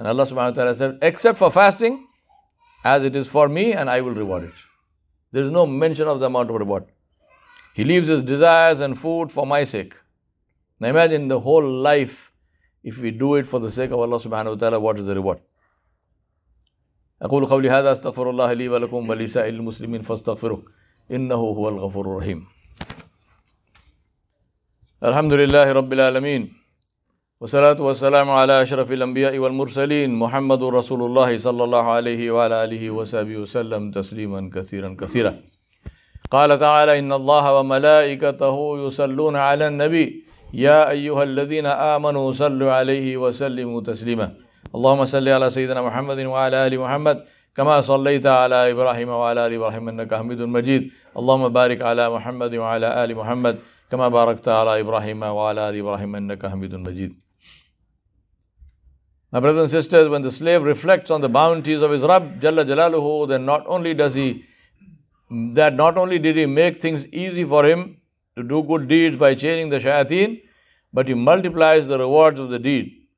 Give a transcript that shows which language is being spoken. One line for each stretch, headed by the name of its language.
English: And Allah subhanahu wa ta'ala said, except for fasting, as it is for me and I will reward it. There is no mention of the amount of reward. He leaves his desires and food for my sake. Now imagine the whole life, if we do it for the sake of Allah subhanahu wa ta'ala, what is the reward?
Arabic: أقول قولي هذا استغفر الله لي ولكم ولسائر المسلمين فاستغفروه إنه هو الغفور الرحيم الحمد لله رب العالمين والصلاة والسلام على أشرف الأنبياء والمرسلين محمد رسول الله صلى الله عليه وعلى آله وصحبه وسلم تسليما كثيرا كثيرا قال تعالى إن الله وملائكته يصلون على النبي يا أيها الذين آمنوا صلوا عليه وسلموا تسليما اللهم صل على سيدنا محمد وعلى آل محمد كما صليت على إبراهيم وعلى آل إبراهيم إنك حميد مجيد اللهم بارك على محمد وعلى آل محمد كما باركت على إبراهيم وعلى آل إبراهيم إنك حميد مجيد.
English: My brothers and sisters, when the slave reflects on the bounties of his Rabb Jalla Jalaluhu, then not only did he make things easy for him to do good deeds by chaining the shayateen, but he multiplies the rewards of the deed.